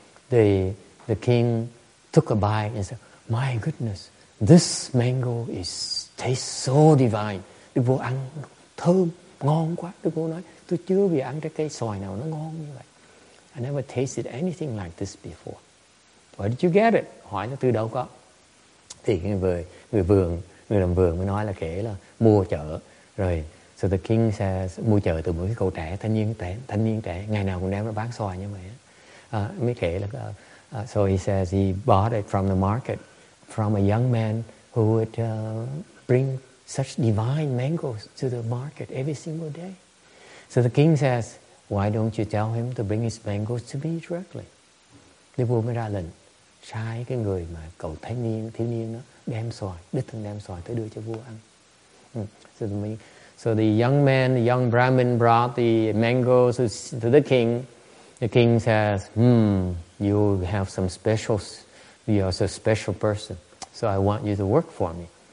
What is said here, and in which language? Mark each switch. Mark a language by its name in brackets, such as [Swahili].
[English] The king took a bite and said, "My goodness, this mango tastes so divine." [Vietnamese] Đức vua ăn thơm, ngon quá. Đức vua nói, "Tôi chưa bị ăn trái cây xoài nào nó ngon như vậy. [English] I never tasted anything like this before." "Where did you get it?" [Vietnamese] Hỏi nó từ đâu có. Thì người làm vườn mới nói là kể là mua chợ. Rồi, [English] so the king says, [Vietnamese] mua chợ từ một cái cậu trẻ, thanh niên trẻ, ngày nào cũng đem nó bán xoài như vậy. Mới kể là, [English] so he says he bought it from the market, from a young man who would bring such divine mangoes to the market every single day. So the king says, "Why don't you tell him to bring his mangoes to me directly?" [Vietnamese] Đức vua mới ra lệnh sai cái người mà cậu thiếu niên đó đem xoài, đích thân đem xoài tới đưa cho vua ăn. [English] So the young man, the young Brahmin brought the mangoes to the king. The king says, "You have some specials. You are a special person. So I want you to work for me."